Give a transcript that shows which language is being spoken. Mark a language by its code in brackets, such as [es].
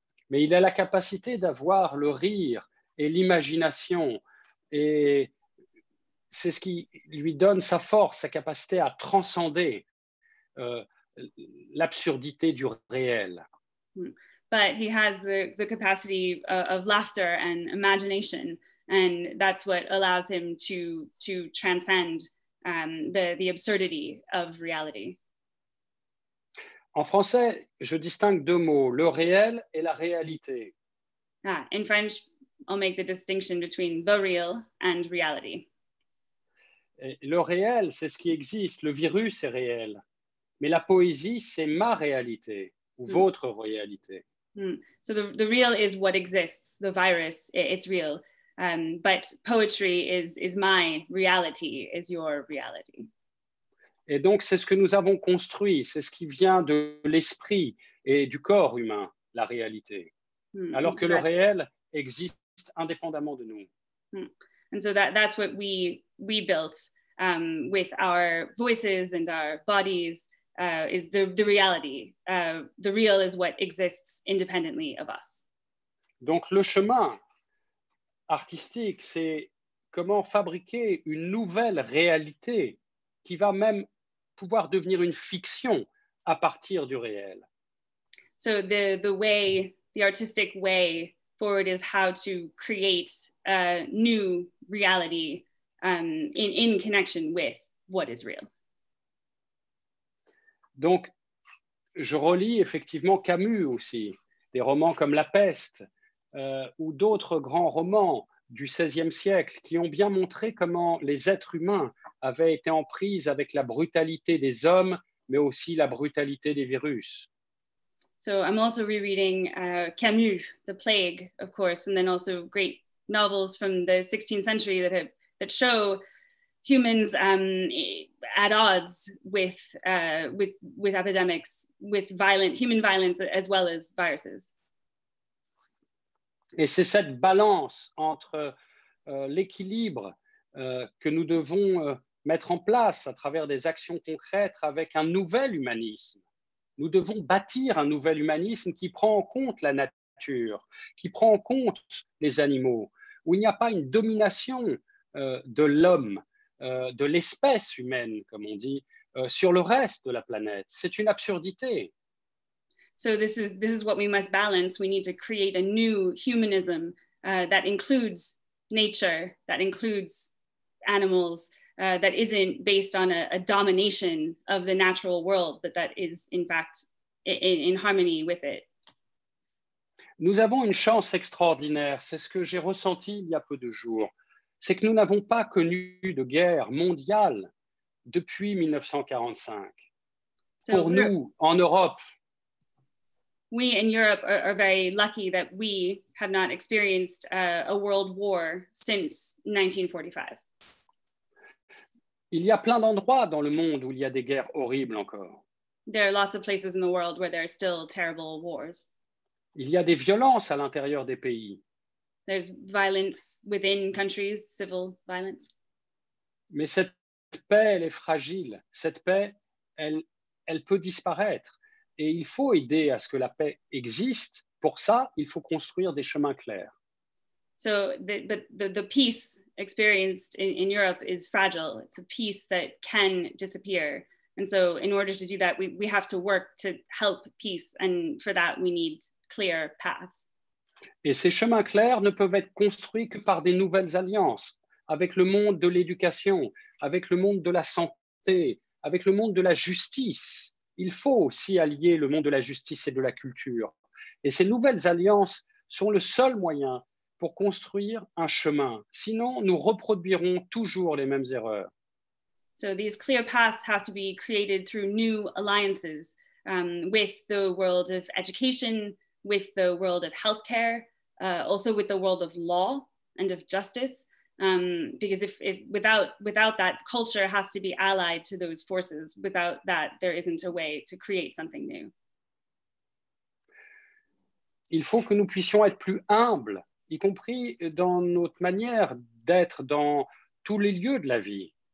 [fr] Mais il a la capacité d'avoir le rire et l'imagination et c'est ce qui lui donne sa force, sa capacité à transcender l'absurdité du réel. [en] But he has the capacity of laughter and imagination, and that's what allows him to transcend the absurdity of reality. [fr] En français, je distingue deux mots, le réel et la réalité. [en] Ah, in French, I'll make the distinction between the real and reality. [fr] Et le réel, c'est ce qui existe. Le virus est réel. Mais la poésie, c'est ma réalité ou votre réalité. [en] So the real is what exists. The virus, it's real. But poetry is my reality, is your reality. [fr] Et donc, c'est ce que nous avons construit. C'est ce qui vient de l'esprit et du corps humain, la réalité. Alors que le réel existe indépendamment de nous. [en] And so that's what we built with our voices and our bodies is the reality. The real is what exists independently of us. [fr] Donc le chemin artistique, c'est comment fabriquer une nouvelle réalité qui va même pouvoir devenir une fiction à partir du réel. [en] So the way, the artistic way forward is how to create a new reality in connection with what is real. [fr] Donc, je relis effectivement Camus aussi, des romans comme La Peste ou d'autres grands romans du XVIe siècle qui ont bien montré comment les êtres humains avaient été en prise avec la brutalité des hommes, mais aussi la brutalité des virus. [en] So I'm also rereading Camus, The Plague, of course, and then also great novels from the 16th century that show humans at odds with epidemics, with violent human violence as well as viruses. [fr] Et c'est cette balance entre l'équilibre que nous devons mettre en place à travers des actions concrètes avec un nouvel humanisme. Nous devons bâtir un nouvel humanisme qui prend en compte la nature, qui prend en compte les animaux, où il n'y a pas une domination de l'homme, de l'espèce humaine, comme on dit, sur le reste de la planète. C'est une absurdité. [en] So this is what we must balance. We need to create a new humanism that includes nature, that includes animals, that isn't based on a domination of the natural world, but that is in fact in harmony with it. [fr] Nous avons une chance extraordinaire. C'est ce que j'ai ressenti il y a peu de jours. C'est que nous n'avons pas connu de guerre mondiale depuis 1945. Pour nous, en Europe. [en] We in Europe are very lucky that we have not experienced a world war since 1945. [fr] Il y a plein d'endroits dans le monde où il y a des guerres horribles encore. [en] There are lots of places in the world where there are still terrible wars. [fr] Il y a des violences à l'intérieur des pays. [en] There's violence within countries, civil violence. [fr] Mais cette paix, elle est fragile. Cette paix, elle peut disparaître. Et il faut aider à ce que la paix existe. Pour ça, il faut construire des chemins clairs. [en] So, but the peace experienced in Europe is fragile. It's a peace that can disappear. And so, in order to do that, we have to work to help peace. And for that, we need clear paths. [fr] Et ces chemins clairs ne peuvent être construits que par des nouvelles alliances avec le monde de l'éducation, avec le monde de la santé, avec le monde de la justice. Il faut aussi allier le monde de la justice et de la culture. Et ces nouvelles alliances sont le seul moyen pour construire un chemin. Sinon, nous reproduirons toujours les mêmes erreurs. [en] So these clear paths have to be created through new alliances with the world of education, with the world of healthcare, also with the world of law and of justice, because if without that, culture has to be allied to those forces. Without that, there isn't a way to create something new. [fr] Il faut que nous puissions être plus humbles, y compris dans notre manière d'être dans tous les lieux de la vie.